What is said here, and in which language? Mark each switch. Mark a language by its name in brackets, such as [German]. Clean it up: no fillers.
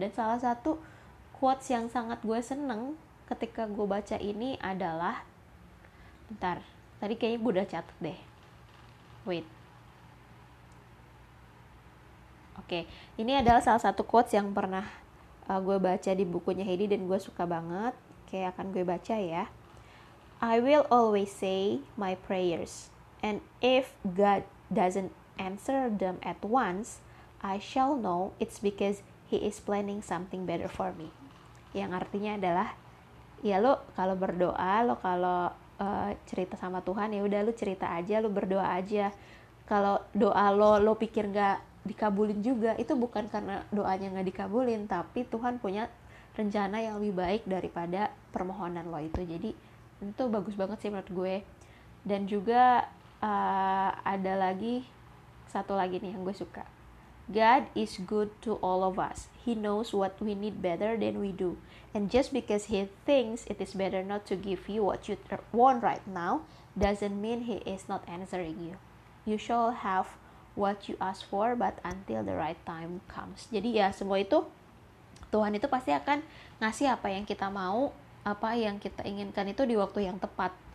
[Indonesian] Dan salah satu quotes yang sangat gue seneng ketika gue baca ini adalah, bentar, tadi kayaknya gue udah catet deh. [English] Wait. [Indonesian] Oke, ini adalah salah satu quotes yang pernah gue baca di bukunya Heidi dan gue suka banget. Kayak akan gue baca ya. [English] I will always say my prayers, and if God doesn't answer them at once, I shall know it's because he is planning something better for me. [Indonesian] Yang artinya adalah, ya lo kalau berdoa, lo kalau cerita sama Tuhan, ya udah lo cerita aja, lo berdoa aja. Kalau doa lo, lo pikir gak dikabulin juga, itu bukan karena doanya gak dikabulin, tapi Tuhan punya rencana yang lebih baik daripada permohonan lo itu. Jadi itu bagus banget sih menurut gue. Dan juga ada lagi satu lagi nih yang gue suka. [English] God is good to all of us. He knows what we need better than we do. And just because he thinks it is better not to give you what you want right now, doesn't mean he is not answering you. You shall have what you ask for, but until the right time comes. [Indonesian] Jadi ya, semua itu Tuhan itu pasti akan ngasih apa yang kita mau, apa yang kita inginkan itu di waktu yang tepat.